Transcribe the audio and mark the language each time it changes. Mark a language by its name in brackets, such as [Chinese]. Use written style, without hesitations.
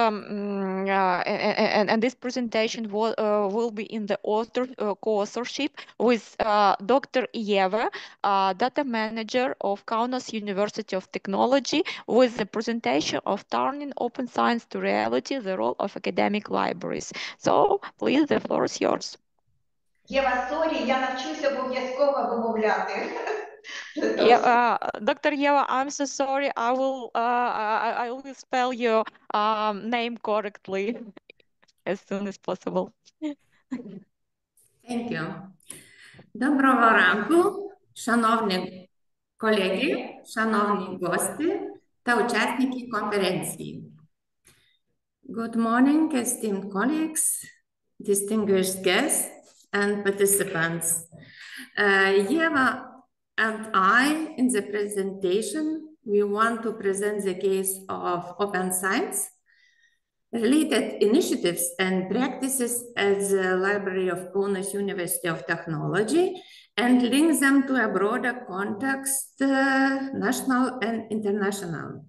[English] And this presentation will be in the co-authorship with Dr. Ieva, data manager of Kaunas University of Technology, with the presentation of Turning Open Science to Reality: The Role of Academic Libraries. So, please, the floor is yours. [Ukrainian] Єва, сорі, я навчуся обов'язково вимовляти литовською. Доктор Єва, [English] I'm so sorry. I will spell your name correctly as soon as possible. Thank you. [Ukrainian] Доброго ранку, шановні колеги, шановні гості та учасники конференції. [English] Good morning, esteemed colleagues, distinguished guests, and participants. Yeva and I, in the presentation, we want to present the case of open science, related initiatives and practices at the Library of Kaunas University of Technology, and link them to a broader context, national and international.